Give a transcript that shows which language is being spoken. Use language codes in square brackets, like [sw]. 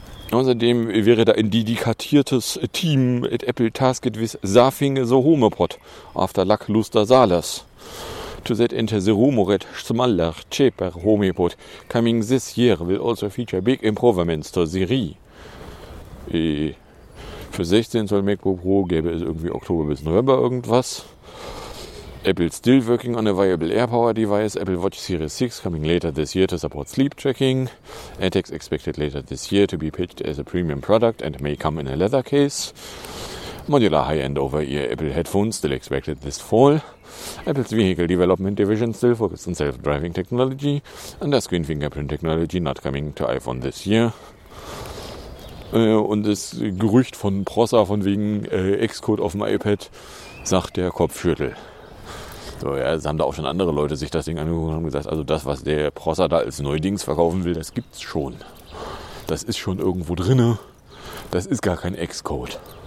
[de] Außerdem wäre da ein dedikatiertes Team [en] at Apple tasked with saving the HomePod after lackluster Salas. To that end, the rumored smaller, cheaper HomePod coming this year will also feature big improvements to Siri. [de] Für 16 Zoll MacBook Pro gäbe es irgendwie Oktober bis November irgendwas. [en] Apple still working on a viable air power device. Apple Watch Series 6 coming later this year to support sleep tracking. AirTag expected later this year to be pitched as a premium product and may come in a leather case. Modular high-end over-ear Apple headphones still expected this fall. Apple's vehicle development division still focused on self-driving technology. And a screen fingerprint technology not coming to iPhone this year. [de] Und das Gerücht von Prosser von wegen Xcode auf dem iPad sagt der Kopfschüttel. So, ja, es haben da auch schon andere Leute sich das Ding angeguckt und haben gesagt, also das, was der Prosser da als Neudings verkaufen will, das gibt's schon. Das ist schon irgendwo drinne. Das ist gar kein Xcode.